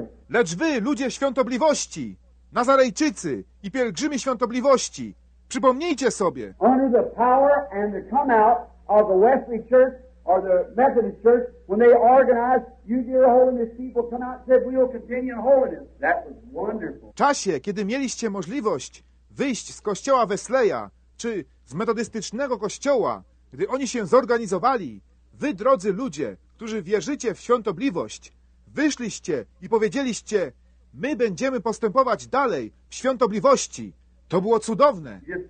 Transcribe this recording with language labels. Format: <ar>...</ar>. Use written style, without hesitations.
<pl>Lecz wy, ludzie świątobliwości, Nazarejczycy i pielgrzymi świątobliwości, przypomnijcie sobie.</pl> <en>Under the power and the come out of the Wesley Church or the Methodist Church, when they organized, you dear holiness people come out and said, we'll continue in holiness. That was wonderful.</en> <pl>W czasie, kiedy mieliście możliwość wyjść z kościoła Wesleya, czy z metodystycznego kościoła, gdy oni się zorganizowali, wy, drodzy ludzie, którzy wierzycie w świątobliwość, wyszliście i powiedzieliście, my będziemy postępować dalej w świątobliwości. To było cudowne.</pl>